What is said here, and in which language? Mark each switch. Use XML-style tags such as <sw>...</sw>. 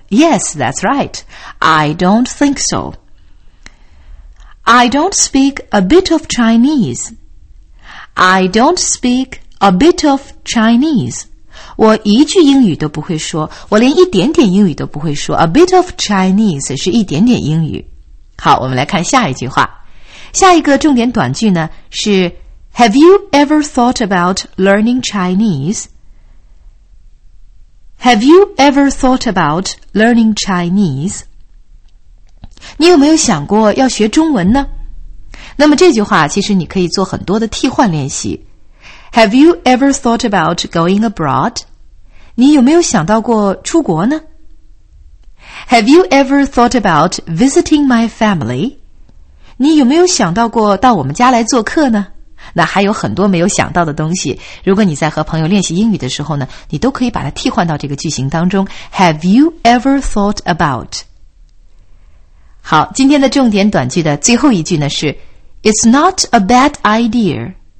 <en>Yes, that's right. I don't think so. I don't speak a bit of Chinese. I don't speak a bit of Chinese.</en> <zh>我一句英语都不会说，我连一点点英语都不会说。</zh> <en>A bit of Chinese</en> <zh>是一点点英语。好，我们来看下一句话。下一个重点短句呢是</zh> <en>Have you ever thought about learning Chinese? Have you ever thought about learning Chinese?</en> <zh>你有没有想过要学中文呢？那么这句话其实你可以做很多的替换练习。</zh> <en>Have you ever thought about going abroad?</en> <zh>你有没有想到过出国呢？</zh> <en>Have you ever thought about visiting my family?</en> <zh>你有没有想到过到我们家来做客呢？那还有很多没有想到的东西，如果你在和朋友练习英语的时候呢，你都可以把它替换到这个句型当中。</zh> <en>Have you ever thought about?</en> <zh>好，今天的重点短句的最后一句呢是</zh> <en>It's not a bad idea.</en>